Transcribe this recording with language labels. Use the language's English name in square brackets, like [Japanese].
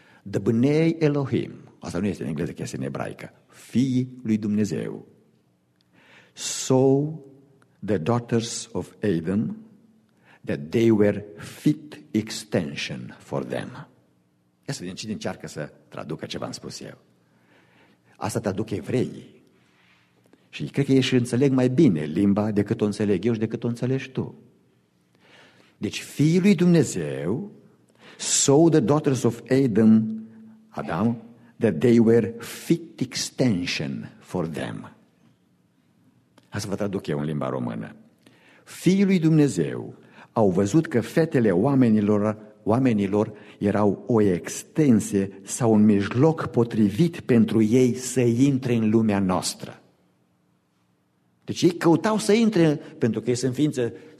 [English] The Bnei Elohim, [Romanian] asta nu este în engleză, este în ebraică, fiii lui Dumnezeu, [English] so the daughters of Adam, that they were fit extension for them. [Romanian] Ia să vedem cine încearcă să traducă ce v-am spus eu. Asta traduc evreii. Și cred că ei și înțeleg mai bine limba decât o înțeleg eu și decât o înțelegi tu. Deci fiii lui Dumnezeu, [English] so the daughters of Adam, Adam, that they were fit extension for them. [Romanian] Asta vă traduc eu în limba română. Fiii lui Dumnezeu au văzut că fetele oamenilor erau o extensie sau un mijloc potrivit pentru ei să intre în lumea noastră. Deci ei căutau să intre, pentru că ei sunt ființe